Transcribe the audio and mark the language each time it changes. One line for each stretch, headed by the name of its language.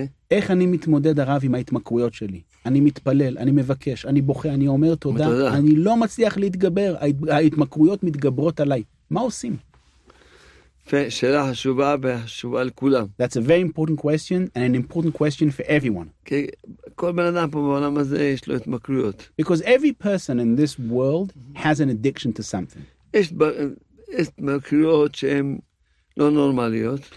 Hebrew: איך אני מתמודד הרב עם ההתמכויות שלי? אני מתפלל, אני מבקש, אני בוכה, אני אומר תודה. אני לא מצליח להתגבר, ההתמכויות מתגברות עליי. מה עושים? שאלה חשובה וחשובה לכולם.
English: That's a very important question and an important question for everyone.
Hebrew: כי כל בן אדם פה בעולם הזה יש לו התמכויות.
English: Because every person in this world has an addiction to something.
Hebrew: יש התמכויות שהן לא נורמליות.